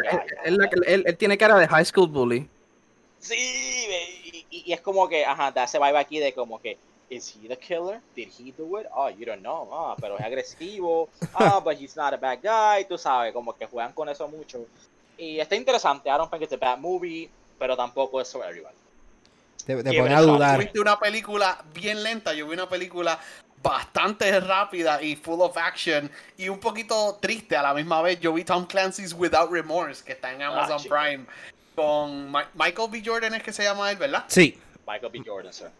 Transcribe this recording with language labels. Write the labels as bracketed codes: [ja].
[es] él tiene cara de [en] high school bully. [es] Sí, y es como que, ajá, da ese vibe aquí de como que, [en] is he the killer? Did he do it? Oh, you don't know. [es] Ah, pero es agresivo. [en] Ah, but he's not a bad guy. [es] Tú sabes, como que juegan con eso mucho. Y está interesante. [en] I don't think it's a bad movie, [es] pero tampoco es [en] for everybody. [es] Te pone a dudar. Yo vi una película bien lenta, yo vi una película bastante rápida y [en] full of action [es] y un poquito triste a la misma vez. Yo vi Tom Clancy's Without Remorse, que está en Amazon Prime, con Michael B. Jordan, es que se llama él, ¿verdad? Sí. Michael B. Jordan, sir.